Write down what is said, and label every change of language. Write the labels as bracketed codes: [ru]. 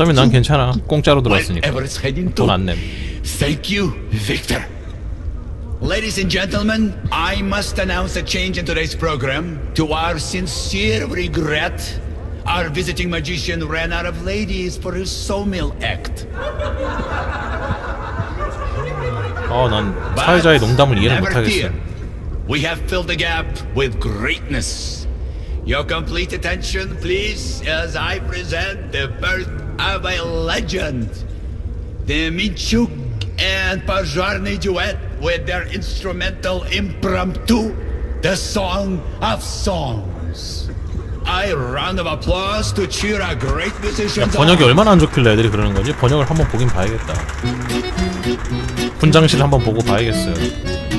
[ko] 어차피 난 괜찮아. 공짜로 들어왔으니까. 돈 안 냄. [en] Thank you, Victor. Ladies and gentlemen, I must announce a change in today's program. To our sincere regret, our visiting magician ran out of ladies for his sawmill act. [ko] 어, 난 사회자의 농담을 이해를 못하겠어. [en] We have filled the gap with greatness. Your complete attention, please, as I present the birth of a legend. The Minchuk and Pajarny duet with their instrumental impromptu, the Song of Songs. A round of applause to cheer a great musician. [ko] 야, 번역이 얼마나 안 좋길래 애들이 그러는 건지 번역을 한번 보긴 봐야겠다. 분장실 한번 보고 봐야겠어요.